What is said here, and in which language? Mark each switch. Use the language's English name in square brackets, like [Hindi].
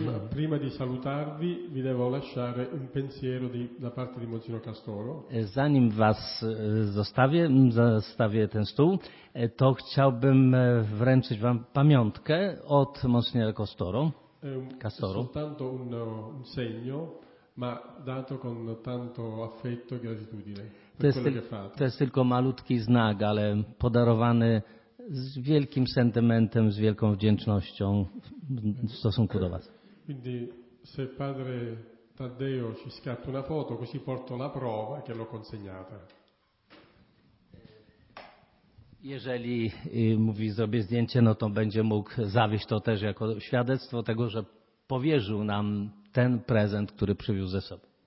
[Italian] Prima di salutarvi, vi devo lasciare un pensiero da parte di Monsignor Castoro. [Polish] Zanim was zostawię ten stół, to chciałbym wręczyć wam pamiątkę od Monsignora Castoro. [Italian] Castoro. Soltanto un segno, ma dato con tanto affetto e gratitudine per quello che fate. [Polish] To jest tylko malutki znak, ale podarowany z wielkim sentymentem, z wielką wdzięcznością w stosunku do was. [Italian] Quindi se padre Taddeo ci scatta una foto, così porto la prova che l'ho consegnata. [Polish] Jeżeli mówi zrobię zdjęcie, no to będzie mógł zawieść to też jako świadectwo tego, że powierzył nam ten prezent, który przywiózł ze sobą.